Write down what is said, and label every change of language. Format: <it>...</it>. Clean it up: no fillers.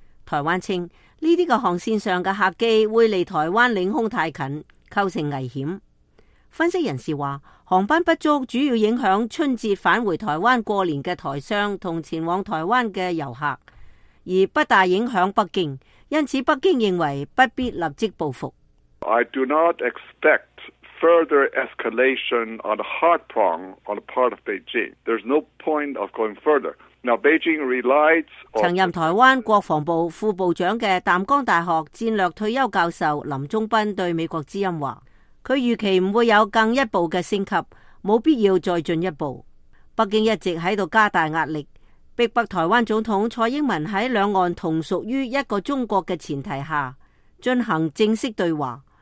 <zh>台湾称这些的航线上的客机会离台湾领空太近，构成危险。分析人士说，航班不足主要影响春节返回台湾过年的台商和前往台湾的游客，而不大影响北京，因此北京认为不必立即报复。</zh> <en>I do not expect further escalation on the hard prong on the part of Beijing. There's no point of going further. Now, Beijing relies on.</en> <zh>曾任台湾国防部副部长的淡江大学战略退休教授林中斌对美国之音说，他预期不会有更一步的升级，没必要再进一步。北京一直在这里加大压力，逼迫台湾总统蔡英文在两岸同属于一个中国的前提下进行正式对话。</zh>